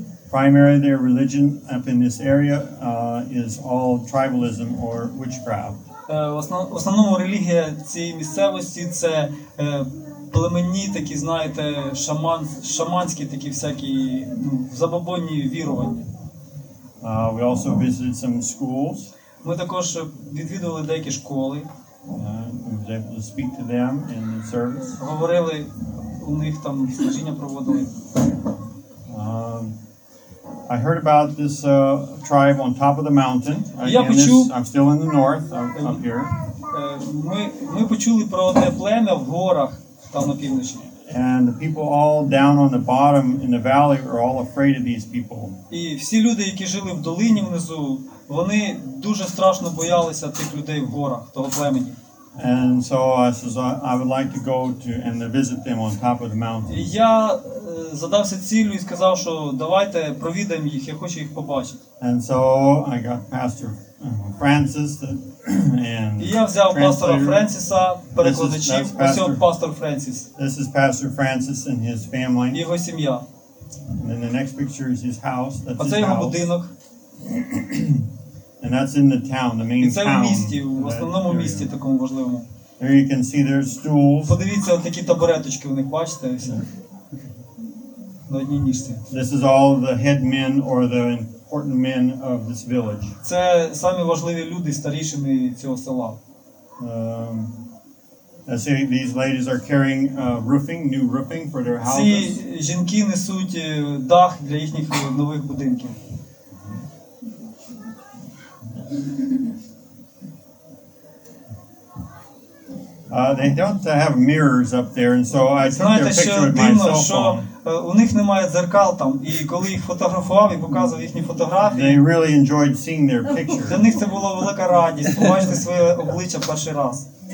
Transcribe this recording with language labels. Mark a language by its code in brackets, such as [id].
[en] Primarily, their religion up in this area is all tribalism or witchcraft. [uk] Основному релігія цієї місцевості це племенні такі, знаєте, шаманські такі всякі забобонні вірування. [en] We also visited some schools. [uk] Ми також відвідували деякі школи. [en] We were able to speak to them in the service. [uk] Говорили у них там служіння проводили. [en] I heard about this tribe on top of the mountain. I'm still in the north, up here. [uk] Ми почули про те племя в горах там на півночі. [en] And the people all down on the bottom in the valley are all afraid of these people. [uk] І всі люди, які жили в долині внизу, вони дуже страшно боялися тих людей в горах, того племені. [en] And so I says I would like to go to and to visit them on top of the mountain. [uk] Я задався ціллю і сказав, що давайте провідаємо їх, я хочу їх побачити. [en] And so I got Pastor Francis and [uk] я взяв пастора Франциса, перекладачів, усього пастор Франсис. [en] This is Pastor Francis and his family. [uk] Його сім'я. [en] And then the next picture is his house. [uk] А це його будинок. [en] And that's in the town, the main town. [uk] І це в місті, в основному місті такому важливому. [en] There you can see their stools. [uk] Подивіться, от такі табуреточки у них, бачите? На одній ніжці. [en] This is all the head men or the important men of this village. [uk] Це самі важливі люди, старішини цього села. [en] I see these ladies are carrying roofing, new roofing for their houses. [uk] Ці жінки несуть дах для їхніх нових будинків. [en] They don't have mirrors up there, and so I took [uk] Знаєте, [en] their picture [uk] дивно, [en] with my cell phone. [uk] Що, у них немає дзеркал там, і коли їх фотографував і показував їхні фотографії, [en] they really enjoyed seeing their picture. [uk] Для них це була велика радість побачити своє обличчя перший раз.